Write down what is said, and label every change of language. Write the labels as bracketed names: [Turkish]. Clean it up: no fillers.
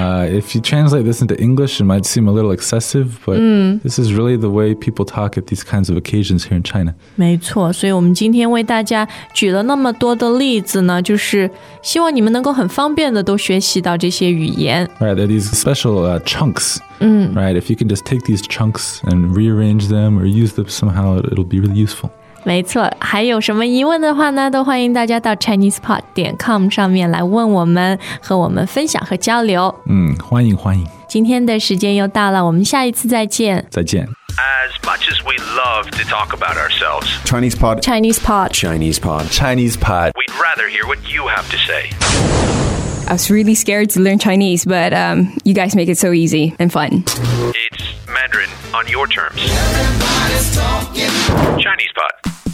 [English] If you translate this into English it might seem a little excessive, but、嗯、 this is really the way people talk at these kinds of occasions here in China. [Chinese] 没错，所以我们今天为大家举了那么多的例子呢，就是希望你们能够很方便的都学习到这些语言。 [English] Right, there are these special chunks、嗯、 Right, if you can just take these chunks and rearrange them or use them somehow, it'll be really useful. [Chinese] 没错，还有什么疑问的话呢，都欢迎大家到 ChinesePod.com 上面来问我们，和我们分享和交流。嗯，欢迎欢迎。今天的时间又到了，我们下一次再见。再见。 [English] As much as we love to talk about ourselves, Chinese Pod, Chinese Pod, Chinese Pod, Chinese Pod, we'd rather hear what you have to say. I was really scared to learn Chinese, but you guys make it so easy and fun. It's Mandarin on your terms. Chinese Pod.